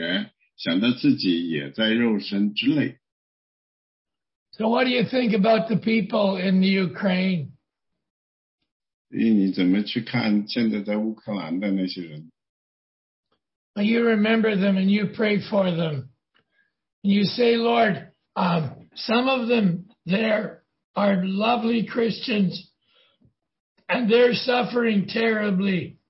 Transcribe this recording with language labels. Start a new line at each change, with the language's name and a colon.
Chinese: 第三节继续说，你们要纪念被捆绑的人，好像与他们同受捆绑，也要纪念遭苦害的人，想到自己也在肉身之内。
English: So what do you think about the people in the Ukraine?
Chinese: 所以你怎么去看现在在乌克兰的那些人？
English: You remember them and you pray for them. You say, Lord, some of them there are lovely Christians and they're suffering terribly.